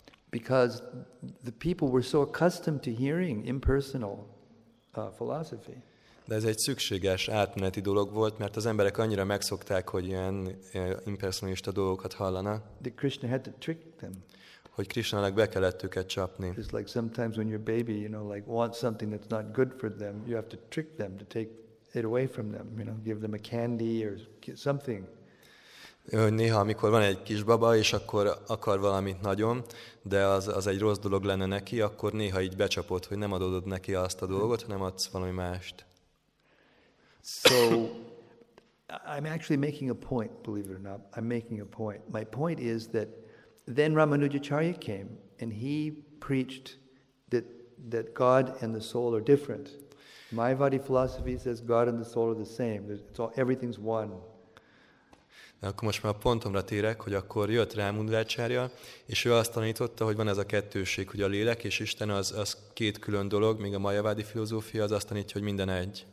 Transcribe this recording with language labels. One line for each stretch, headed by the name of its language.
English: Because the people were so accustomed to hearing impersonal philosophy.
Hungarian: De ez egy szükséges átmeneti dolog volt, mert az emberek annyira megszokták, hogy ilyen impersonalista dolgokat hallana.
English: That Krishna had to trick them.
Hungarian: Hogy Krishnának be kellett őket csapni.
English: It's like sometimes when your baby, you know, like wants something that's not good for them, you have to trick them to take it away from them, you know, give them a candy or something.
Hungarian: Néha, amikor van egy kisbaba, és akkor akar valamit nagyon, de az egy rossz dolog lenne neki, akkor néha így becsapod, hogy nem adod neki azt a dolgot, hanem adsz valami mást.
English: So, I'm actually making a point, believe it or not. I'm making a point. My point is that then Ramanujacharya came, and he preached that God and the soul are different. Mayavadi philosophy says God and the soul are the same. It's all, everything's one.
Hungarian: De akkor most már a pontomra térek, hogy akkor jött Rámundrácsárja, és ő azt tanította, hogy van ez a kettőség, hogy a lélek és Isten az két külön dolog, míg a Mayavadi filozófia az azt tanítja, hogy minden egy.